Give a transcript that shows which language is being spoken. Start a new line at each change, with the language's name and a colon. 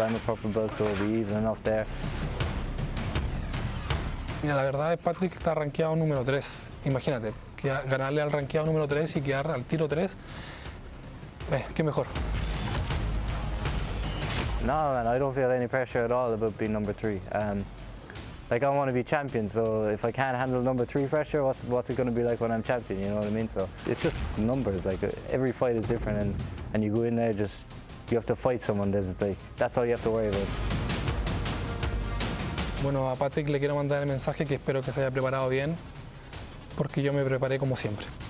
English: I'm a proper belt, so we'll be even enough there.
Spanish: Mira, la verdad es Patrick está rankeado número 3. Imagínate, que ganarle al rankeado número 3 y quedar al tiro 3. ¿Qué mejor?
English: No, man, I don't feel any pressure at all about being number 3. Like, I want to be champion, so if I can't handle number 3 pressure, what's it going to be like when I'm champion, you know what I mean? So it's just numbers, like, every fight is different, and you go in there, just, you have to fight someone, that's all you have to worry about.
Spanish: Bueno, a Patrick le quiero mandar el mensaje que espero que se haya preparado bien, porque yo me preparé como siempre.